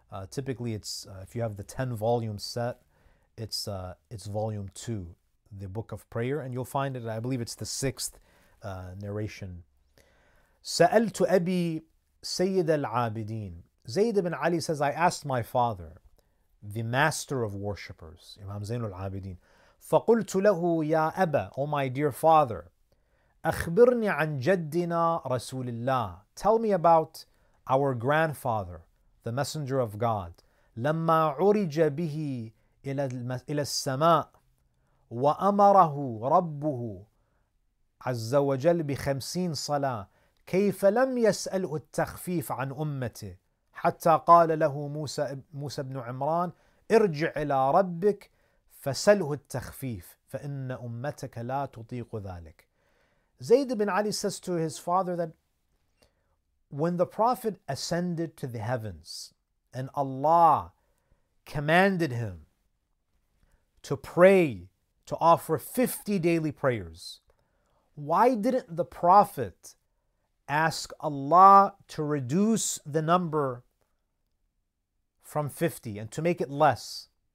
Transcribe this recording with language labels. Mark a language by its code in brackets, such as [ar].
[en] Typically, it's if you have the 10-volume set, it's volume 2, the Book of Prayer, and you'll find it, I believe it's the 6th narration. [ar] سَأَلْتُ أَبِي Sayyid al-Abidin. [en] Zayd ibn Ali says, I asked my father, the master of worshippers, Imam Zainul al-Abidin. [ar] فَقُلْتُ لَهُ يَا أَبَا, [en] O my dear father, [ar] أَخْبِرْنِي عَنْ جَدِّنَا رَسُولِ اللَّهِ. [en] Tell me about our grandfather, the messenger of God. [ar] لَمَّا عُرِجَ بِهِ إِلَى السَّمَاءِ وَأَمَرَهُ رَبُّهُ عَزَّ وَجَلْ بِخَمْسِينَ صَلَاةٍ كيف لم يسأله التخفيف عن أمته حتى قال له موسى بن عمران ارجع إلى ربك فسأله التخفيف فإن أمتك لا تطيق ذلك. [en] Zayd ibn Ali says to his father that when the Prophet ascended to the heavens, and Allah commanded him to pray, to offer 50 daily prayers, why didn't the Prophet ask Allah to reduce the number from 50 and to make it less?